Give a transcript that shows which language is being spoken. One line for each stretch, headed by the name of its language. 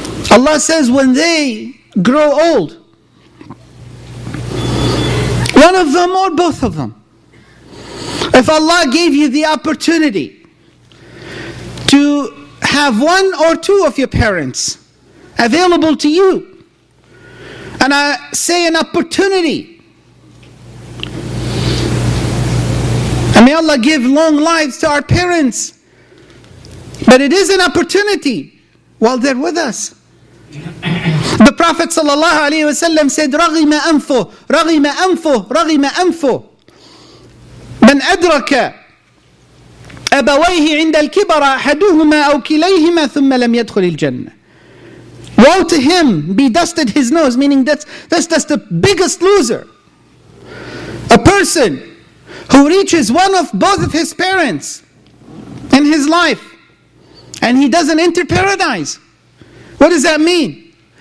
English: Allah says when they grow old, one of them or both of them, if Allah gave you the opportunity to have one or two of your parents available to you, and I say an opportunity, and may Allah give long lives to our parents, but it is an opportunity while they're with us. The Prophet ﷺ said,
Arabic: رَغِمَ أَنْفُ رَغِمَ أَنْفُ رَغِمَ أَنْفُ مَنْ أَدْرَكَ أَبَوَيْهِ عِنْدَ الْكِبَرَ أَحَدُهُمَا أَوْ كِلَيْهِمَا ثُمَّ لَمْ يَدْخُلِ الْجَنَّةِ.
English: Woe to him, be dusted his nose, meaning that's just the biggest loser. A person who reaches one of both of his parents in his life, and he doesn't enter paradise. What does that mean?